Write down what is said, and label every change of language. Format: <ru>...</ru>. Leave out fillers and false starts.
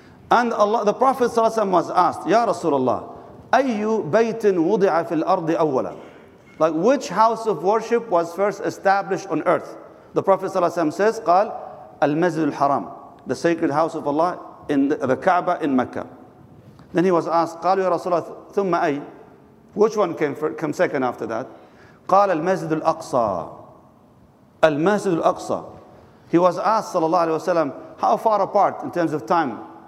<en>And Allah, the Prophet ﷺ was asked, Ya Rasulullah,</en> <ar>أَيُّ بَيْتٍ وُضِعَ فِي الْأَرْضِ أَوَّلًا?</ar> <en>Like, which house of worship was first established on earth? The Prophet ﷺ says,</en> <ar>قال, الْمَسْجِدُ الْحَرَامُ,</ar> <en>the sacred house of Allah in the Kaaba in Mecca. Then he was asked,</en> <ar>قَالُ يَا رَسُولَهُ ثُمَّ أَيْ?</ar> <en>Which one came second after that?</en> <ar>قَالَ الْمَسْجِدُ الْأَقْصَى,</ar> <en>Al-Masjid Al-Aqsa. He was asked, sallallahu alayhi wa sallam, how far apart in terms of time?</en>